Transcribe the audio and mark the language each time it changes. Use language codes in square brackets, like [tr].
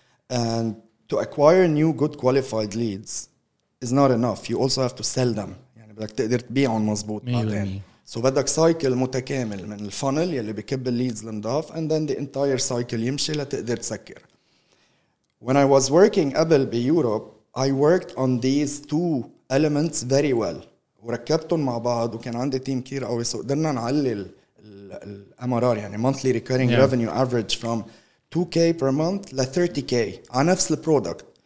[en] And to acquire new good qualified leads is not enough. You also have to sell them. [ar] يعني بدك تقدر تبيعهم مزبوط بعدين. So بدك سايكل متكامل من الفانل يلي بكب الليدز لنضاف, and then the entire cycle يمشي لتقدر تسكر. [en] When I was working قبل بيوروب, I worked on these two elements very well. [ar] وركبتهم مع بعض وكان عندي تيم كتير قوي, so قدرنا نعلي الـ MRR, يعني monthly recurring revenue average from 2K per month ل 30K على نفس البرودكت.